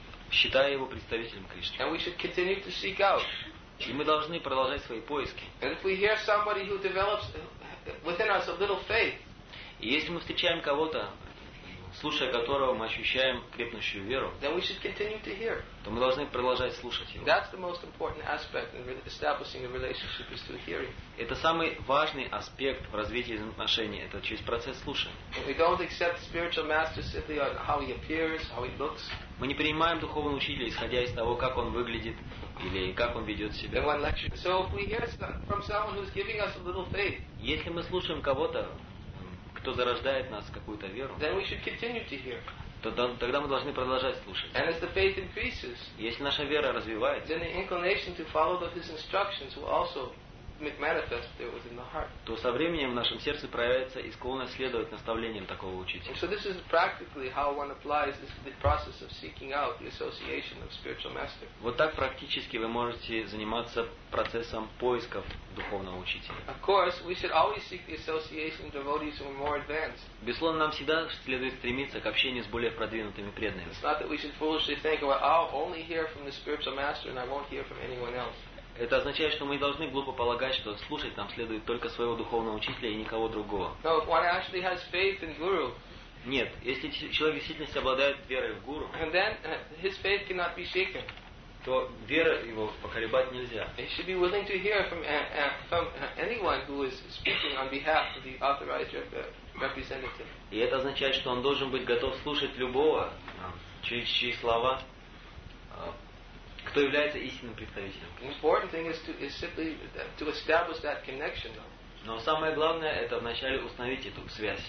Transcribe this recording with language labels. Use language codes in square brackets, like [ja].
[ru] Считая его представителем Кришны. И мы должны продолжать искать. И мы должны продолжать свои поиски. [en] And if we hear somebody who develops within us a little faith, [ru] и если мы встречаем кого-то, слушая которого мы ощущаем крепнущую веру, [en] then we should continue to hear. [ru] То мы должны продолжать слушать его. [en] That's the most important aspect in establishing a relationship is through hearing. [ru] Это самый важный аспект в развитии отношений, это через процесс слушания. [en] We don't accept spiritual masters simply on how he appears, how he looks. [ru] Мы не принимаем духовного учителя, исходя из того, как он выглядит или как он ведет себя. [en] So if we hear from someone who's giving us a little faith, [ru] если мы слушаем кого-то, кто зарождает нас в какую-то веру, [en] then we should continue to hear. [ru] Тогда мы должны продолжать слушать. [en] And as the faith increases, [ru] если наша вера развивается, [en] then the inclination to follow his instructions will also manifest there within the heart. [ru] То со временем в нашем сердце проявится и склонность следовать наставлениям такого учителя. [en] So this is practically how one applies this, the process of seeking out the association of spiritual master. [ru] Вот так практически вы можете заниматься процессом поисков духовного учителя. [en] Of course, we should always seek the association of devotees who are more advanced. [ru] Безусловно, нам всегда следует стремиться к общению с более продвинутыми преданными. [en] It's not that we should foolishly think, well, I'll only hear from the spiritual master and I won't hear from anyone else. [ru] Это означает, что мы должны глупо полагать, что слушать нам следует только своего духовного учителя и никого другого. [en] No, if one actually has faith in guru, [ru] нет, если человек действительно обладает верой в гуру, [en] and then his faith cannot be shaken, [ru] то вера его поколебать нельзя. [en] He should be willing to hear from anyone who is speaking on behalf of the authorized representative. [ru] И это означает, что он должен быть готов слушать любого, чьи слова кто является истинным представителем. [en] The important thing is simply to establish that connection. [ru] Но самое главное это вначале установить эту связь.